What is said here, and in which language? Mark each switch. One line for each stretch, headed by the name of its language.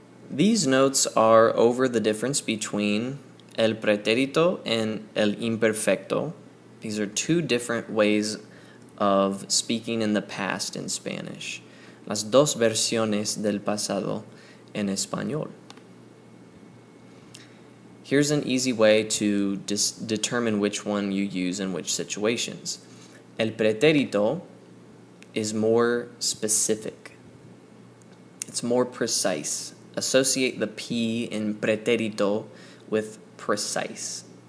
English: These notes are over the difference between el preterito and el imperfecto. These are two different ways of speaking in the past in Spanish.
Spanish: Las dos versiones del pasado en español.
English: Here's an easy way to determine which one you use in which situations. El preterito is more specific. It's more precise. Associate the P in preterito with precise.